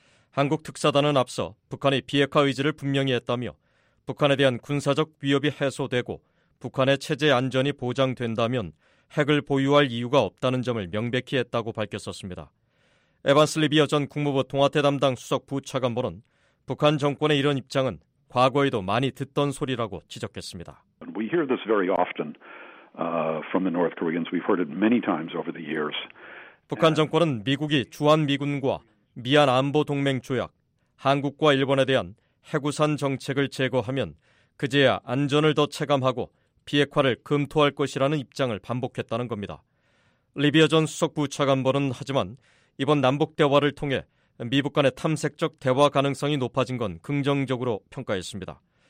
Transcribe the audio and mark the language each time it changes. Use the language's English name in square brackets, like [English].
[Korean] 한국 특사단은 앞서 북한의 비핵화 의지를 분명히 했다며 북한에 대한 군사적 위협이 해소되고 북한의 체제 안전이 보장된다면 핵을 보유할 이유가 없다는 점을 명백히 했다고 밝혔었습니다. 에반스 리비어 전 국무부 통화태 담당 수석 부차관보는 북한 정권의 이런 입장은 과거에도 많이 듣던 소리라고 지적했습니다. [English] We hear this very often from the North Koreans. We've heard it many times over the years. [Korean] 북한 정권은 미국이 주한미군과 미안 안보 동맹 조약, 한국과 일본에 대한 핵우산 정책을 제거하면 그제야 안전을 더 체감하고 비핵화를 검토할 것이라는 입장을 반복했다는 겁니다. 리비어 전 수석 부차관보는 하지만 이번 남북 대화를 통해 미북 간의 탐색적 대화 가능성이 높아진 건 긍정적으로 평가했습니다.